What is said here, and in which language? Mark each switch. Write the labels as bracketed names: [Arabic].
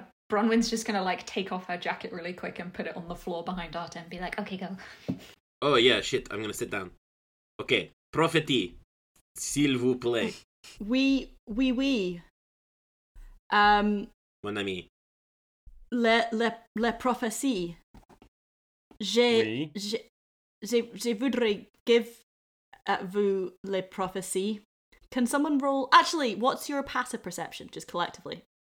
[English] Bronwyn's just gonna like take off her jacket really quick and put it on the floor behind Arta and be like, "Okay, go." Oh yeah, shit. I'm gonna sit down. [French] Okay, prophétie, s'il vous plaît. Oui. Mon ami. Le prophétie. Je voudrais give vous les prophéties. [English] Can someone roll? Actually, what's your passive perception, just collectively?